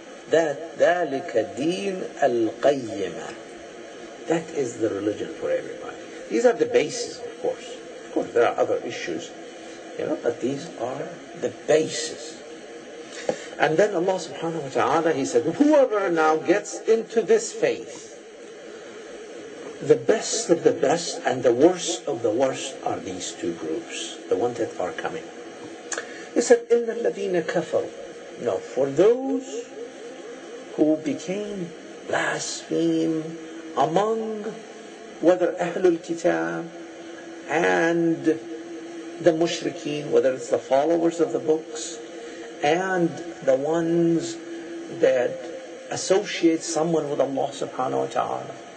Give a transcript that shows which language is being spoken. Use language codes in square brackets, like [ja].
[en] That [ar] ذَلِكَ دِينَ الْقَيِّمَةِ. [en] That is the religion for everybody. These are the bases, of course. Of course, there are other issues, you know, but these are the bases. And then Allah subhanahu wa ta'ala, He said, whoever now gets into this faith, the best of the best and the worst of the worst are these two groups, the ones that are coming. He said, [ar] إِنَّ الَّذِينَ كَفَرُوا. [en] No, for those who became blaspheme among whether Ahlul Kitab and the Mushrikeen, whether it's the followers of the books and the ones that associate someone with Allah subhanahu wa ta'ala,